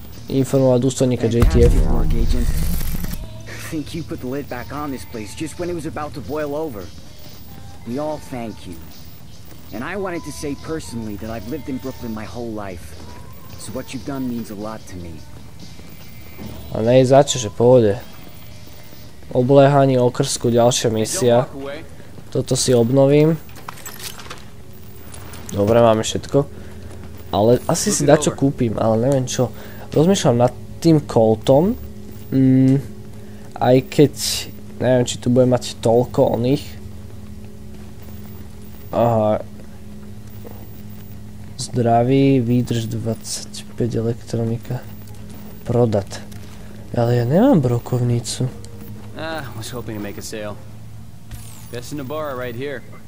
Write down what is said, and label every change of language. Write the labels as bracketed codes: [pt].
[sk] Informovať dôstojníka JTF. [en] Think you put the lid back on this place just when it was about to boil over. We all thank you. And I wanted to say personally that I've lived in Brooklyn my whole life. So what you've done means a lot to me. [sk] A nej začo, že pôjde. Obléhanie okrsku, ďalšia misia. Toto si obnovím. Dobre, máme všetko. Ale asi si dačo kúpim, ale neviem čo. Rozmýšľam nad tým Coltom. Aj keď, neviem, či tu bude mať toľko oných. Aha. Zdravý, výdrž 25, elektronika. Prodat. Ale ja nemám brokovnicu. [en] Was hoping to make a sale. Best in the bar right here.